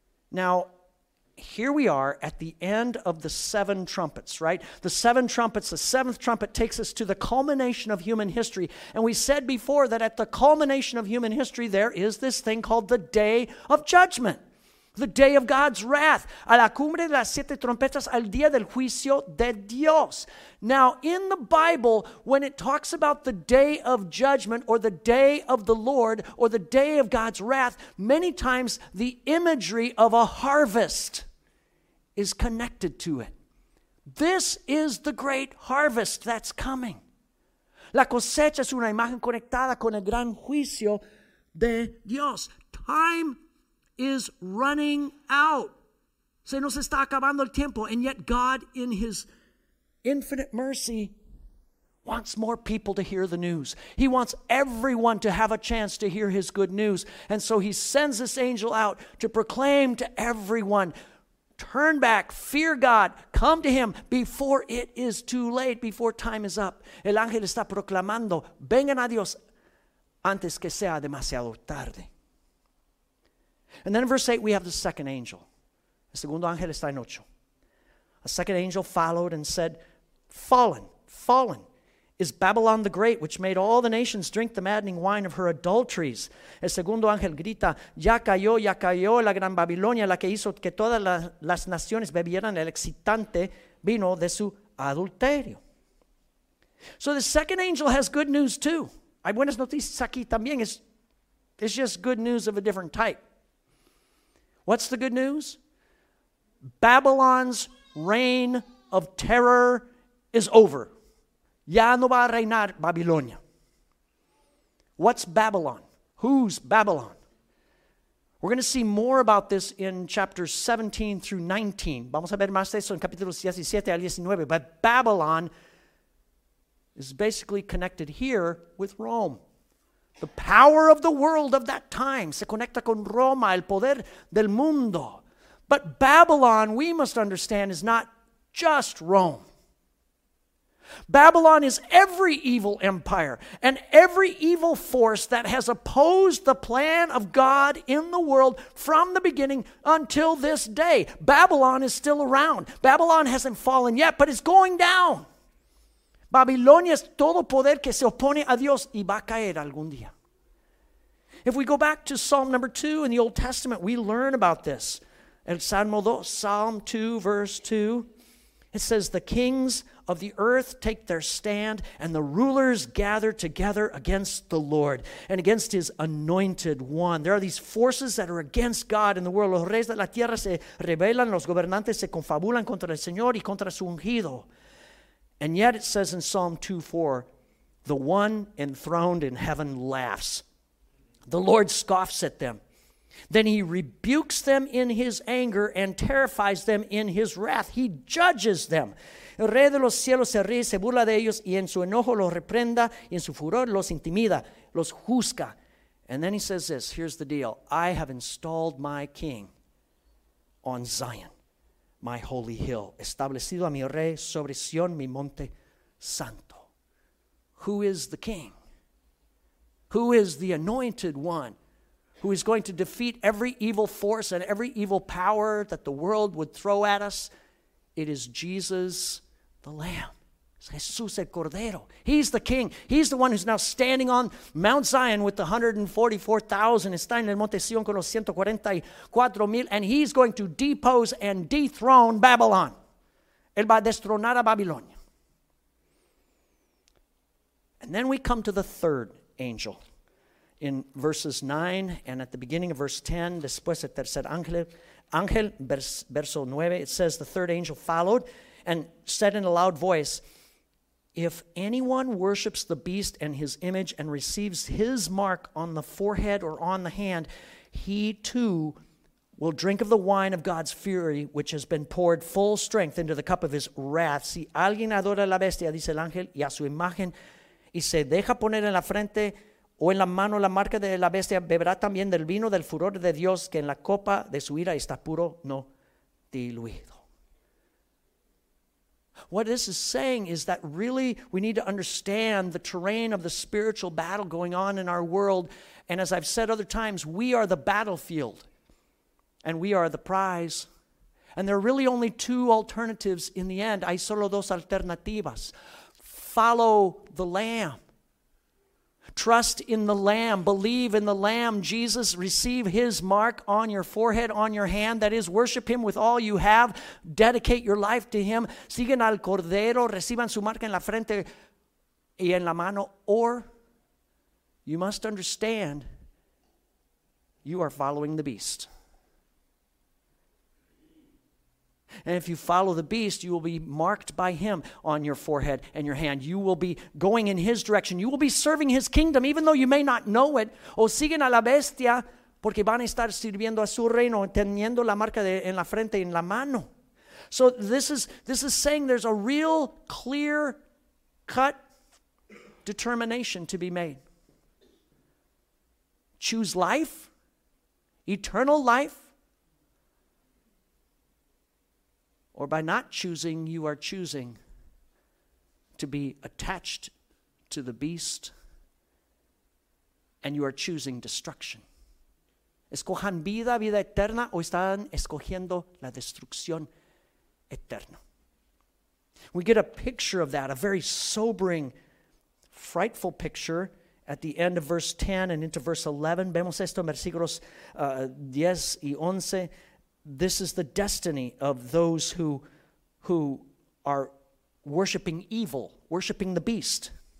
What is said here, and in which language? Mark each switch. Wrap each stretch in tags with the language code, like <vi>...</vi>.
<en>Now, here we are at the end of the seven trumpets, right? The seven trumpets, the seventh trumpet takes us to the culmination of human history. And we said before that at the culmination of human history, there is this thing called the Day of Judgment, the Day of God's wrath.</en> <es>A la cumbre de las siete trompetas, al día del juicio de Dios.</es> <en>Now, in the Bible, when it talks about the Day of Judgment or the Day of the Lord or the Day of God's wrath, many times the imagery of a harvest is connected to it. This is the great harvest that's coming.</en> <es>La cosecha es una imagen conectada con el gran juicio de Dios.</es> <en>Time is running out.</en> <es>Se nos está acabando el tiempo,</es> <en>and yet God in his infinite mercy wants more people to hear the news. He wants everyone to have a chance to hear his good news. And so he sends this angel out to proclaim to everyone, turn back, fear God, come to him before it is too late, before time is up.</en> <es>El ángel está proclamando, vengan a Dios antes que sea demasiado tarde.</es> <en>And then in verse 8, we have the second angel.</en> <es>El segundo ángel está en ocho.</es> <en>A second angel followed and said, "Fallen, fallen is Babylon the Great, which made all the nations drink the maddening wine of her adulteries."</en> <es>El segundo ángel grita, ya cayó la gran Babilonia, la que hizo que todas las naciones bebieran el excitante vino de su adulterio.</es> <en>So the second angel has good news too.</en> <es>Hay buenas noticias aquí también.</es> <en>It's just good news of a different type. What's the good news? Babylon's reign of terror is over.</en> <es>Ya no va a reinar Babilonia.</es> <en>What's Babylon? Who's Babylon? We're going to see more about this in chapters 17 through 19.</en> <es>Vamos a ver más de eso en capítulos 17 al 19.</es> <en>But Babylon is basically connected here with Rome. The power of the world of that time.</en> <es>Se conecta con Roma, el poder del mundo.</es> <en>But Babylon, we must understand, is not just Rome. Babylon is every evil empire and every evil force that has opposed the plan of God in the world from the beginning until this day. Babylon is still around. Babylon hasn't fallen yet, but it's going down.</en> <es>Babilonia es todo poder que se opone a Dios y va a caer algún día.</es> <en>If we go back to Psalm number 2 in the Old Testament, we learn about this.</en> <es>El Salmo 2,</es> <en>Psalm 2, verse 2, it says, "The kings of the earth take their stand, and the rulers gather together against the Lord and against his anointed one." There are these forces that are against God in the world.</en> <es>Los reyes de la tierra se rebelan, los gobernantes se confabulan contra el Señor y contra su ungido.</es> <en>And yet it says in Psalm 2, 4, "The one enthroned in heaven laughs. The Lord scoffs at them. Then he rebukes them in his anger and terrifies them in his wrath. He judges them.</en> <es>El rey de los cielos se ríe, se burla de ellos, y en su enojo los reprenda, y en su furor los intimida, los juzga."</es> <en>And then he says this, here's the deal. "I have installed my king on Zion, my holy hill.</en> <es>Establecido a mi rey sobre Sion, mi monte santo."</es> <en>Who is the king? Who is the anointed one who is going to defeat every evil force and every evil power that the world would throw at us? It is Jesus the Lamb. It's Jesús el Cordero. He's the king. He's the one who's now standing on Mount Zion with the 144,000.</en> <es>Está en el Monte Sion con los 144,000.</es> <en>And he's going to depose and dethrone Babylon.</en> <es>Él va a destronar a Babilonia.</es> <en>And then we come to the third angel in verses 9 and at the beginning of verse 10.</en> <es>Después el tercer ángel, verso 9,</es> <en>it says, "The third angel followed and said in a loud voice, 'If anyone worships the beast and his image and receives his mark on the forehead or on the hand, he too will drink of the wine of God's fury, which has been poured full strength into the cup of his wrath.'"</en> <es>Si alguien adora a la bestia, dice el ángel, y a su imagen, y se deja poner en la frente o en la mano la marca de la bestia, beberá también del vino del furor de Dios, que en la copa de su ira está puro, no diluido.</es> <en>What this is saying is that really we need to understand the terrain of the spiritual battle going on in our world. And as I've said other times, we are the battlefield and we are the prize. And there are really only two alternatives in the end.</en> <es>Hay solo dos alternativas.</es> <en>Follow the Lamb. Trust in the Lamb. Believe in the Lamb. Jesus, receive his mark on your forehead, on your hand. That is, worship him with all you have. Dedicate your life to him.</en> <es>Sigan al Cordero. Reciban su marca en la frente y en la mano.</es> <en>Or you must understand, you are following the beast. And if you follow the beast, you will be marked by him on your forehead and your hand. You will be going in his direction. You will be serving his kingdom, even though you may not know it.</en> <es>O siguen a la bestia, porque van a estar sirviendo a su reino, teniendo la marca en la frente y en la mano.</es> <en>So this is saying there's a real clear cut determination to be made. Choose life, eternal life. Or by not choosing, you are choosing to be attached to the beast, and you are choosing destruction.</en> <es>Escojan vida, vida eterna, o están escogiendo la destrucción eterna.</es> <en>We get a picture of that, a very sobering, frightful picture at the end of verse 10 and into verse 11.</en> <es>Vemos esto en versículos 10 y 11.</es> <en>This is the destiny of those who are worshiping evil, worshiping the beast.</en>